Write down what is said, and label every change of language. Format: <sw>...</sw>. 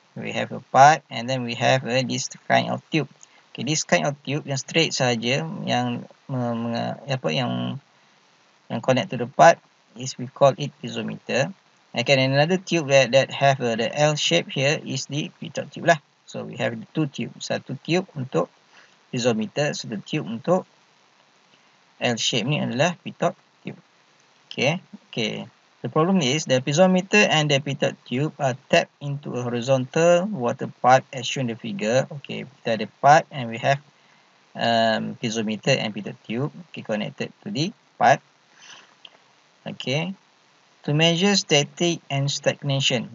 <en>We have a pipe and then we have this kind of tube. Okay, this kind of tube</en> <ms>yang straight saja, yang yang</ms> <en>connect to the pipe, is we call it piezometer. Okay, and another tube that have the L shape here is the pitot tube lah. So we have the two tube.</en> <ms>Satu tube untuk piezometer, satu tube untuk L shape ni adalah pitot tube.</ms> <en>Okay. Okay. The problem is the piezometer and the pitot tube are tapped into a horizontal water pipe as shown in the figure. Okay,</en> <ms>kita ada</ms> <en>pipe and we have piezometer and pitot tube, okay, connected to the pipe. Okay, to measure static and stagnation.</en>